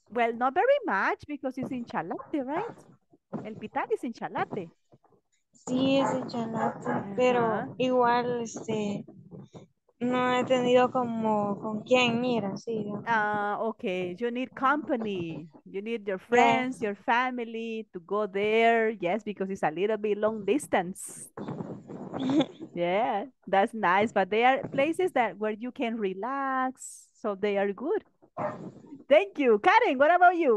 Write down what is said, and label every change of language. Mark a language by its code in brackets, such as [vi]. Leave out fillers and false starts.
[en] Well, not very much because it's in Chalate, right? El Pital is in Chalate. [es] Sí, es en Chalate. Uh-huh. Pero igual, no he tenido como con quién ir, así. [en] Okay. You need company. You need your friends, yeah. your family to go there. Yes, because it's a little bit long distance. Yeah, that's nice, but they are places that where you can relax, so they are good. Thank you. Karen, what about you?